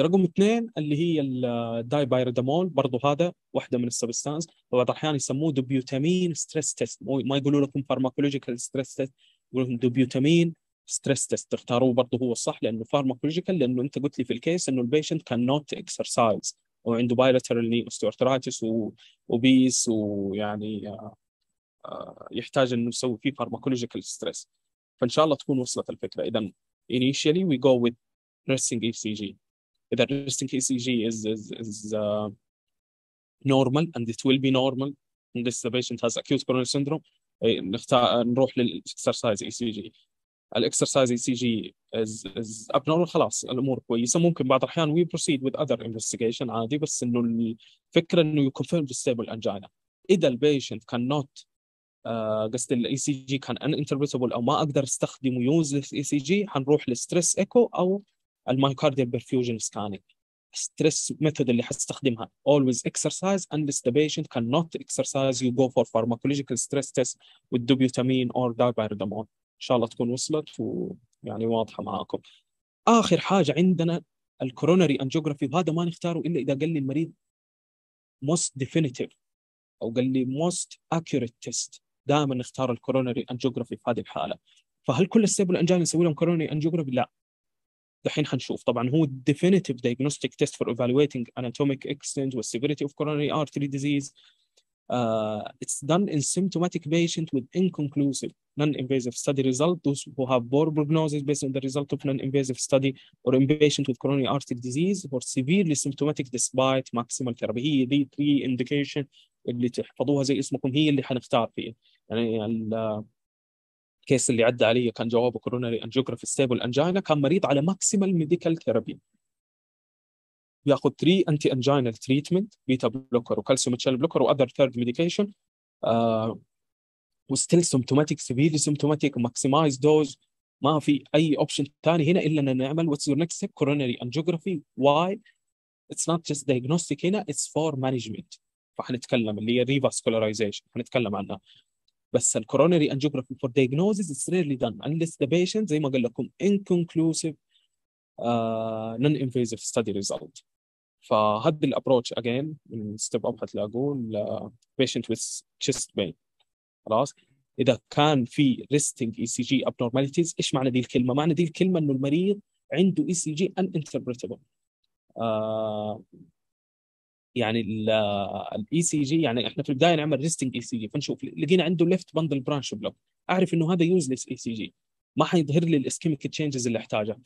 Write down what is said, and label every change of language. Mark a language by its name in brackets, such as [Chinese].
[Arabic] رقم اثنين اللي هي الداي بايردامول، برضو هذا واحدة من السبستانس، وبعض الأحيان يسموه دوبيوتامين ستريس تيست، ما يقولوا لكم فارماكولوجيكال ستريس تيست، يقول لكم دوبيوتامين ستريس تيست، تختاروه برضو هو الصح لأنه فارماكولوجيكال، لأنه أنت قلت لي في الكيس أنه البيشنت كان [English] not exercise [Arabic] وعنده بايلاترال ني اوستيوارترايتس وبيس، ويعني يحتاج أنه يسوي فيه فارماكولوجيكال ستريس. فإن شاء الله تكون وصلت الفكرة. إذا [English] initially we go with resting ECG. If the resting ECG is normal and it will be normal and this the patient has acute coronary syndrome, [Arabic] نروح للإكسرسايز ECG. [English] الإكسرسايز ECG is abnormal, [Arabic] خلاص الأمور كويسة. ممكن بعض الأحيان [English] we proceed with other investigation [Arabic] عادي، بس إنه الفكرة إنه [English] you confirm the stable angina. [Arabic] إذا البيشنت [English] cannot [Arabic] قصد الـ ECG كان uninterpretable أو ما أقدر استخدمه [English] useless ECG، [Arabic] حنروح للستريس إيكو أو المايوكارديال بيرفيوجن سكانينج. ستريس ميثود اللي حستخدمها [English] always exercise unless the patient cannot exercise you go for pharmacological stress test with dobutamine or dabiredamol. [Arabic] إن شاء الله تكون وصلت ويعني واضحة معاكم. آخر حاجة عندنا الكورونري أنجيوغرافي، وهذا ما نختاره إلا إذا قال لي المريض [English] most definitive [Arabic] أو قال لي [English] most accurate test. [Arabic] دائما نختار الكورونري انجيوغرافي في هذه الحالة. فهل كل الستيبل انجاينا نسوي لهم كورونري انجيوغرافي؟ لا. دحين حنشوف. طبعا هو [English] definitive diagnostic test for evaluating anatomic extent and severity of coronary artery disease. It's done in symptomatic patient with inconclusive non-invasive study result. Those who have poor prognosis based on the result of non-invasive study or in patient with coronary artery disease or severely symptomatic despite maximal therapy. [Arabic] هي [English] the three indication [Arabic] اللي تحفظوها زي اسمكم هي اللي حنختار فيه. يعني الكيس اللي عدى علي كان جوابه كورونري انجيوغرافي ستيبل انجينا، كان مريض على ماكسيمال ميديكال ثيرابي، بياخذ 3 انتي انجينال تريتمنت، بيتا بلوكر وكالسيوم شانل بلوكر واذر ثيرد ميديكيشن، [English] وستيل symptomatic severely symptomatic maximize dose, [Arabic] ما في اي اوبشن ثاني هنا الا ان نعمل [English] what's your next step [Arabic] كورونري انجيوغرافي. [English] Why? It's not just diagnostic, [Arabic] هنا [English] it's for management, [Arabic] فحنتكلم اللي هي [English] revascularization [Arabic] حنتكلم عنها. [English] بس الـ coronary angiography for diagnosis is rarely done unless the patient [Arabic] زي ما قال لكم [English] inconclusive non-invasive study result. فهذا الـ approach again [Arabic] من [English] step up [Arabic] حتلاقون لـ [English] patient with chest pain. [Arabic] خلاص إذا كان في [English] resting ECG abnormalities، [Arabic] إيش معنى دي الكلمة؟ معنى دي الكلمة أنه المريض عنده ECG uninterpretable. يعني الـ ECG يعني احنا في البداية نعمل [English] resting ECG [Arabic] فنشوف لقينا عنده [English] left bundle branch block، [Arabic] اعرف انه هذا [English] useless ECG [Arabic] ما حيظهر لي الـ [English] ischemic changes [Arabic] اللي احتاجها.